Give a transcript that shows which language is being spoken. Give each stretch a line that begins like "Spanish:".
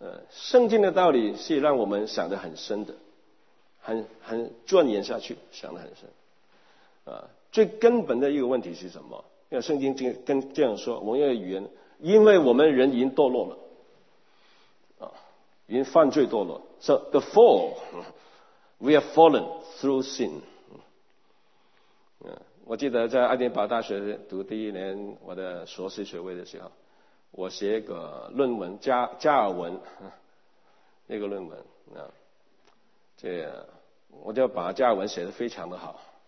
Chinese: 圣经的道理是让我们想得很深的，很钻研下去，想得很深。最根本的一个问题是什么？因为圣经跟这样说，我们用语言，因为我们人已经堕落了，已经犯罪堕落。
English: So the fall, we have fallen through sin.
Chinese: 我记得在爱丁堡大学读第一年我的硕士学位的时候，我写一个论文，加尔文那个论文，这我就把加尔文写得非常的好。